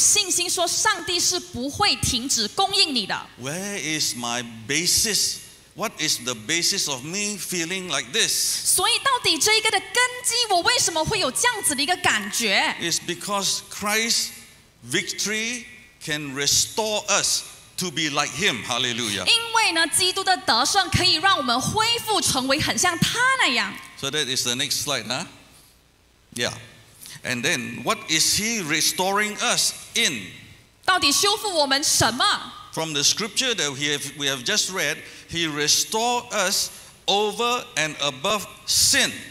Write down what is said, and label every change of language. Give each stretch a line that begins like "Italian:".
Chinese: 所以呢,这个盼望呢,使到你有信心说上帝是不会停止供应你的。
English: Where is my basis? What is the basis of me feeling like this?
Chinese: 所以到底这个的根基,我为什么会有这样子的一个感觉?
English: It's because Christ's victory can restore us. To be like him, hallelujah.
Chinese: 因为呢,基督的得胜可以让我们恢复成为很像他那样。
English: So that is the next slide, huh? Yeah. And then, what is he restoring us in?
Chinese: 到底修复我们什么?
English: From the scripture that we have just read, he restored us over and above sin.